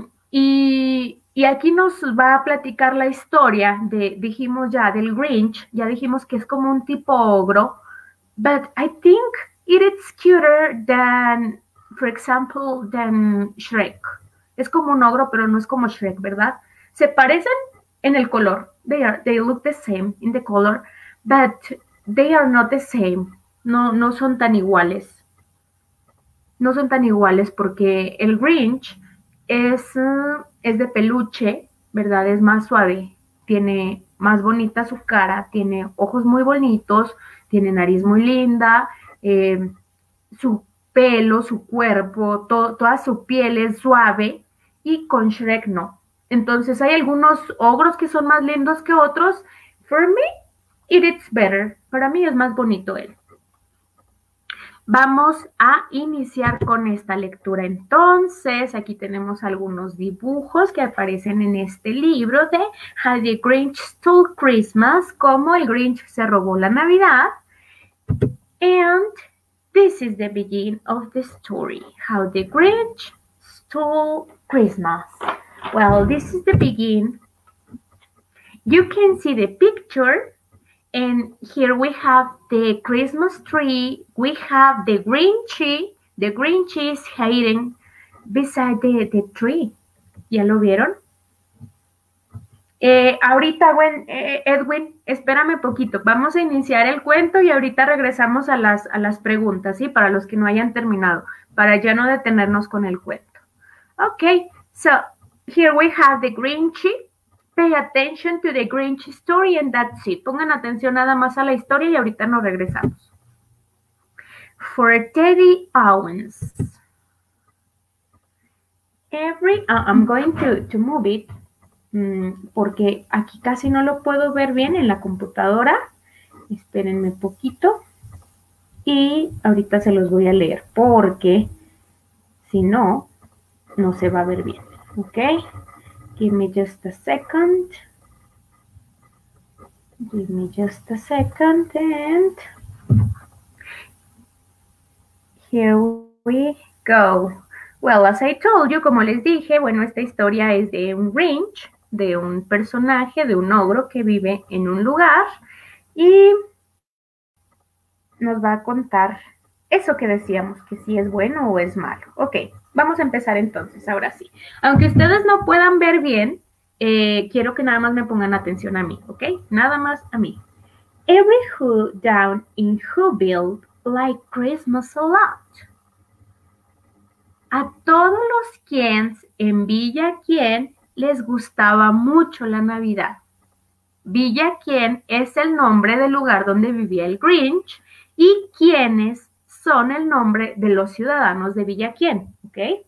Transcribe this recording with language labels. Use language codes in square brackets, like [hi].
[es] Y aquí nos va a platicar la historia de, dijimos ya, del Grinch. Ya dijimos que es como un tipo ogro. [en] But I think it's cuter than, for example, than Shrek. [es] Es como un ogro, pero no es como Shrek, ¿verdad? Se parecen en el color. [en] They look the same in the color, but they are not the same. [es] No son tan iguales. No son tan iguales porque el Grinch es de peluche, ¿verdad? Es más suave. Tiene más bonita su cara. Tiene ojos muy bonitos. Tiene nariz muy linda. Su pelo, su cuerpo, toda su piel es suave y con Shrek no. Entonces hay algunos ogros que son más lindos que otros. [en] For me, it's better. [es] Para mí es más bonito él. Vamos a iniciar con esta lectura entonces. Aquí tenemos algunos dibujos que aparecen en este libro de How the Grinch Stole Christmas, cómo el Grinch se robó la Navidad. [en] And this is the beginning of the story, how the Grinch to Christmas. Well, this is the beginning. You can see the picture, and here we have the Christmas tree. We have the green tree. The green tree is hidden beside the tree. [es] ¿Ya lo vieron? Ahorita, Edwin, espérame poquito. Vamos a iniciar el cuento y ahorita regresamos a las preguntas, ¿sí? Para los que no hayan terminado, para ya no detenernos con el cuento. [en] Okay, so here we have the Grinchy. Pay attention to the Grinch story and that's it. [es] Pongan atención nada más a la historia y ahorita nos regresamos. [en] For Teddy Owens. I'm going to move it. [es] Porque aquí casi no lo puedo ver bien en la computadora. Espérenme poquito. Y ahorita se los voy a leer porque si no, no se va a ver bien. [en] ¿Ok? Give me just a second. Give me just a second and here we go. Well, as I told you, [es] como les dije, bueno, esta historia es de un Grinch, de un personaje, de un ogro que vive en un lugar y nos va a contar eso que decíamos, que si es bueno o es malo. Ok, vamos a empezar entonces, ahora sí. Aunque ustedes no puedan ver bien, quiero que nada más me pongan atención a mí, ¿ok? Nada más a mí. [en] Every who down in Whoville like Christmas a lot. [es] A todos los quiens en Villa Quien les gustaba mucho la Navidad. Villa Quien es el nombre del lugar donde vivía el Grinch y quienes son el nombre de los ciudadanos de Villa Quien, ¿ok?